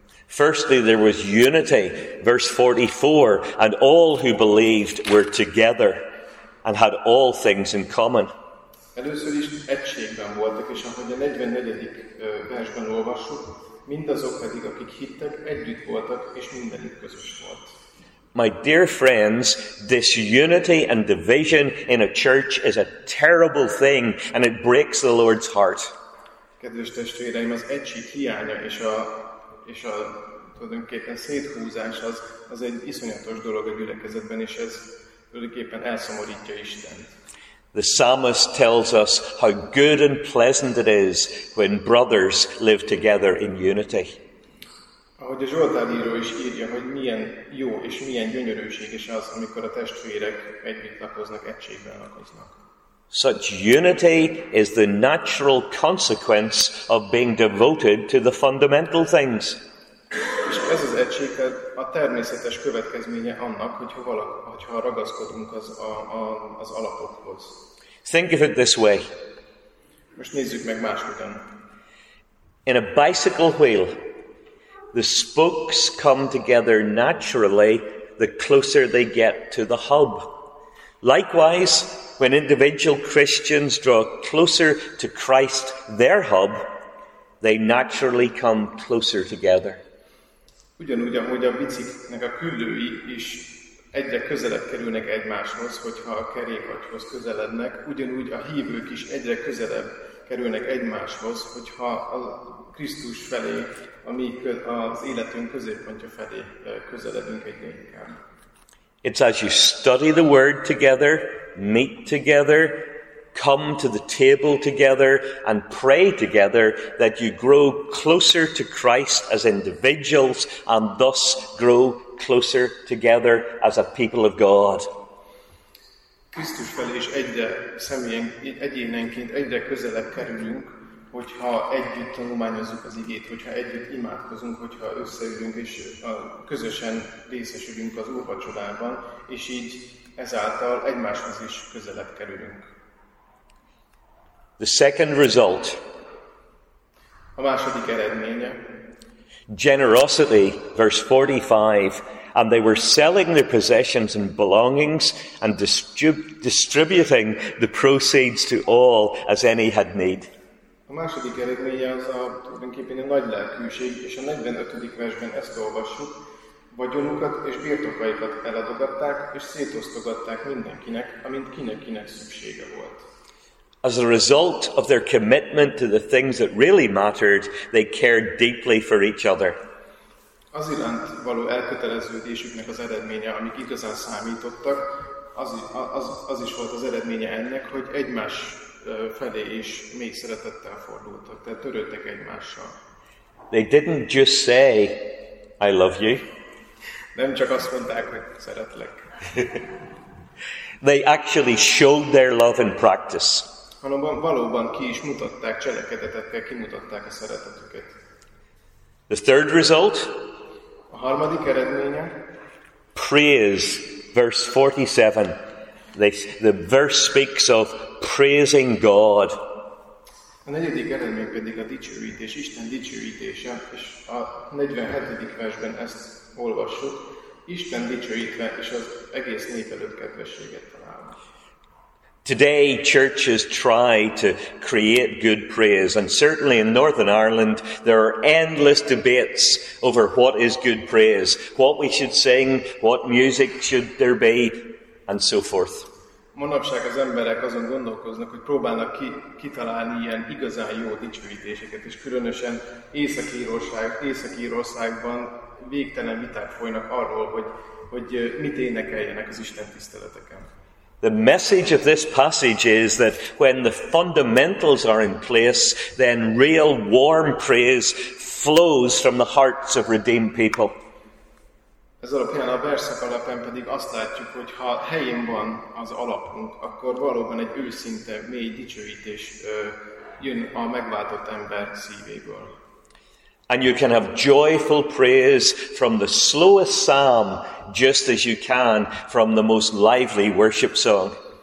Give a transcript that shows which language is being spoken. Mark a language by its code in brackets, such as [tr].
[en] Firstly, there was unity, verse 44, and all who believed were together and had all things in common. [hu] Először is egységben voltak, és ahogy a 44. versben olvassuk, mindazok pedig, akik hittek, együtt voltak, és mindenük közös volt. [en] My dear friends, disunity and division in a church is a terrible thing, and it breaks the Lord's heart. [hu] Kedves testvéreim, az egység hiánya és a tulajdonképpen széthúzás az egy iszonyatos dolog a gyülekezetben, és ez tulajdonképpen elszomorítja Istent. [en] The psalmist tells us how good and pleasant it is when brothers live together in unity. [hu] Ahogy a Zsoltár író is írja, hogy milyen jó és milyen gyönyörűség is az, amikor a testvérek együtt lakoznak, egységben lakoznak. [en] Such unity is the natural consequence of being devoted to the fundamental things. [hu] És ez az egység a természetes következménye annak, hogyha ragaszkodunk az alapokhoz. [en] Think of it this way. [hu] Most nézzük meg másképpen. [en] In a bicycle wheel, the spokes come together naturally the closer they get to the hub. Likewise, when individual Christians draw closer to Christ, their hub, they naturally come closer together. [hu] Ugyanúgy, ahogy a biciknek a küllői is egyre közelebb kerülnek egymáshoz, hogyha a kerékpárhoz közelednek, ugyanúgy a hívők is egyre közelebb kerülnek egymáshoz, hogyha a Krisztus felé, az életünk középpontja felé közeledünk egyre inkább. [en] It's as you study the word together, meet together, come to the table together, and pray together that you grow closer to Christ as individuals and thus grow closer together as a people of God. [hu] Krisztus felé is egyénenként egyre közelebb kerülünk, hogyha együtt tanulmányozzuk az igét, hogyha együtt imádkozunk, hogyha összeülünk és közösen részesülünk az úrvacsorában, és így ezáltal egymáshoz is közelebb kerülünk. [en] The second result. [hu] A második eredménye. [en] Generosity, verse 45. And they were selling their possessions and belongings and distributing the proceeds to all as any had need. [hu] A második eredménye az a tulajdonképpen egy nagy lelkűség, és a 45. versben ezt olvassuk. Vagyonukat és birtokaikat eladogatták, és szétosztogatták mindenkinek, amint kinek-kinek szüksége volt. [en] As a result of their commitment to the things that really mattered, they cared deeply for each other. [hu] Az iránt való elköteleződésüknek az eredménye, amik igazán számítottak, az is volt az eredménye ennek, hogy egymás felé is mély szeretettel fordultak, tehát törődtek egymással. [en] They didn't just say, I love you. [hu] Nem csak azt mondták, hogy szeretlek. [en] They actually showed their love in practice. [hu] Hanem valóban ki is mutatták cselekedetekkel, kimutatták a szeretetüket. [en] The third result. [hu] A harmadik eredménye. [en] Praise, verse 47. The verse speaks of praising God. [hu] A negyedik eredmény pedig a dicsőítés, Isten dicsőítése, és a 47. versben ezt olvassuk. Isten dicsőítve és az egész nép előtt kedvességet találva. [en] Today churches try to create good praise, and certainly in Northern Ireland there are endless debates over what is good praise, what we should sing, what music should there be, and so forth. [hu] Manapság az emberek azon gondolkoznak, hogy próbálnak kitalálni ilyen igazán jó dicsőítéseket, és különösen Észak-Írországban végtelen viták folynak arról, hogy mit énekeljenek az Isten tiszteleteken. [en] The message of this passage is that when the fundamentals are in place, then real warm praise flows from the hearts of redeemed people. [hu] Ez alapján, a verszak alapján pedig azt látjuk, hogy ha helyén van az alapunk, akkor valóban egy őszinte, mély dicsőítés jön a megváltott ember szívéből. [en] And you can have joyful praise from the slowest psalm, just as you can from the most lively worship song.